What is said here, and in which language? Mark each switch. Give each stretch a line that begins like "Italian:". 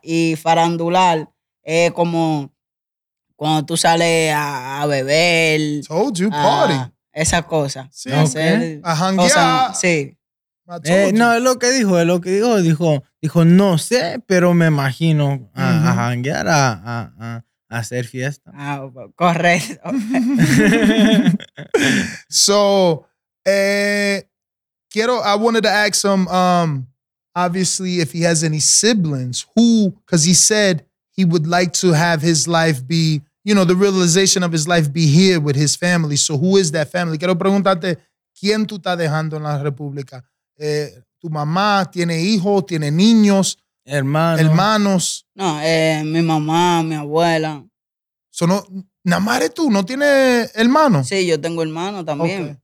Spanish: Y farandular es como cuando tú sales a beber.
English: Told you, party.
Spanish: Esa cosa. Sí, okay. A janguear. Cosa, sí. No, es lo que dijo, es lo que dijo. Dijo, no sé, pero me imagino a janguear, a hacer fiesta. Ah, correcto.
English: So, I wanted to ask him, obviously, if he has any siblings, who, because he said he would like to have his life be, you know, the realization of his life be here with his family. So, who is that family?
Spanish: Quiero preguntarte, ¿quién tú estás dejando en la República? ¿Tu mamá tiene hijos, tiene niños? Hermanos. No, mi mamá, mi abuela. So no, nada más eres tú, ¿no tienes hermano? Sí, yo tengo hermano también. Okay.